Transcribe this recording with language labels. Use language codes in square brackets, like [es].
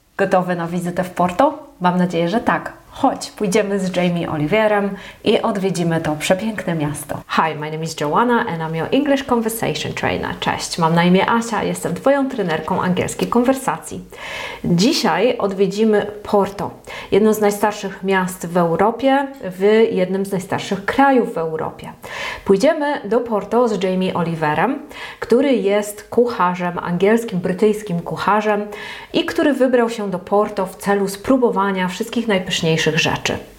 [pl] Gotowy na wizytę w Porto? Mam nadzieję, że tak. Chodź, pójdziemy z Jamie Oliverem i odwiedzimy to przepiękne miasto. [en] Hi, my name is Joanna and I'm your English Conversation Trainer. [pl] Cześć, mam na imię Asia, jestem Twoją trenerką angielskiej konwersacji. Dzisiaj odwiedzimy Porto, jedno z najstarszych miast w Europie, w jednym z najstarszych krajów w Europie. Pójdziemy do Porto z Jamie Oliverem, który jest kucharzem, angielskim, brytyjskim kucharzem i który wybrał się do Porto w celu spróbowania wszystkich najpyszniejszych rzeczy.